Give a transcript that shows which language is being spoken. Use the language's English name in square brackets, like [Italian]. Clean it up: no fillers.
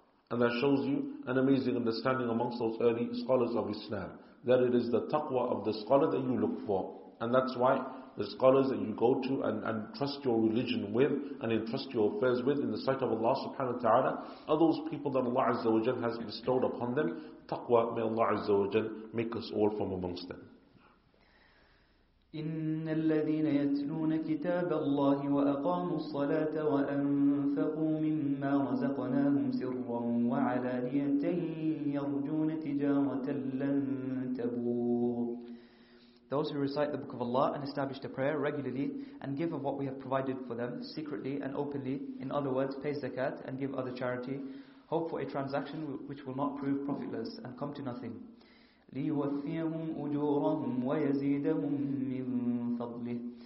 [English] And that shows you an amazing understanding amongst those early scholars of Islam, that it is the taqwa of the scholar that you look for. And that's why the scholars that you go to and trust your religion with and entrust your affairs with in the sight of Allah subhanahu wa ta'ala are those people that Allah azza wa jal has bestowed upon them. Taqwa, may Allah azza wa jal make us all from amongst them. [Arabic] إن الذين يتلون كتاب الله وأقاموا الصلاة وأنفقوا مما رزقناهم سرا وعلانية يرجون تجارة لن تبور. [English] Those who recite the book of Allah and establish the prayer regularly and give of what we have provided for them secretly and openly, in other words, pay zakat and give other charity, hope for a transaction which will not prove profitless and come to nothing. [Arabic] لِيُوَفِّيَهُمْ أُجُورَهُمْ وَيَزِيدَهُمْ مِنْ فَضْلِهِ